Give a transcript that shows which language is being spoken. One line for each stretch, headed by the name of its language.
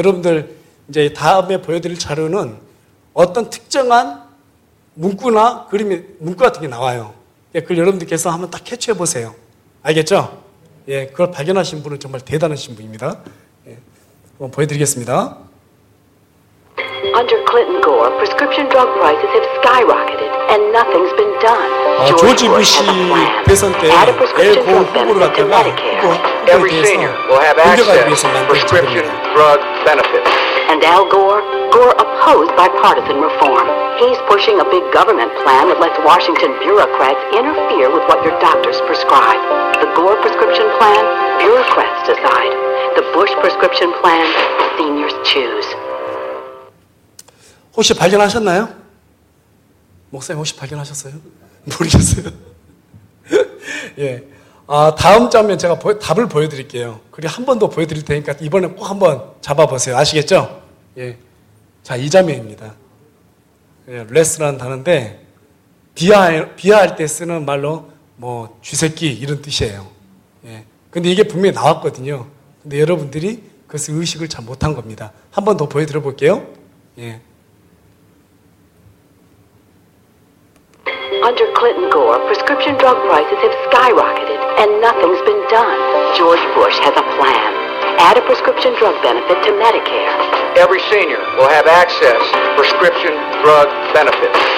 Korean: 여러분들 이제 다음에 보여드릴 자료는 어떤 특정한 문구나 그림이 문구 같은 게 나와요. 예, 그걸 여러분들께서 한번 딱 캐치해 보세요. 알겠죠? 예, 그걸 발견하신 분은 정말 대단하신 분입니다. 예, 한번 보여드리겠습니다.
English: Under Clinton Gore, prescription drug prices have skyrocketed and nothing's been done.
Korean: 아, 조지 부시 대선 때 엘 고 후보를 갖다가
English: Every senior will have access to prescription drug benefits. And Al Gore opposed bipartisan reform. He's pushing a big government plan that lets Washington bureaucrats interfere with what your doctors prescribe. The Gore prescription plan, bureaucrats decide. The Bush prescription plan, seniors choose.
Korean: 혹시 발견하셨나요? 목사님 혹시 발견하셨어요? 모르겠어요. 예. 아, 다음 장면 제가 답을 보여드릴게요. 그리고 한 번 더 보여드릴 테니까 이번에 꼭 한번 잡아보세요. 아시겠죠? 예. 자, 이 장면입니다. 예, 레스라는 단어인데 비하할 때 쓰는 말로 뭐 쥐새끼 이런 뜻이에요. 예, 근데 이게 분명히 나왔거든요. 근데 여러분들이 그것을 의식을 잘 못한 겁니다. 한 번 더 보여드려 볼게요. 예.
English: Under Clinton Gore, Clinton Gore, prescription drug prices have skyrocketed and nothing's been done. George Bush has a plan. Add a prescription drug benefit to Medicare. Every senior will have access to prescription drug benefits.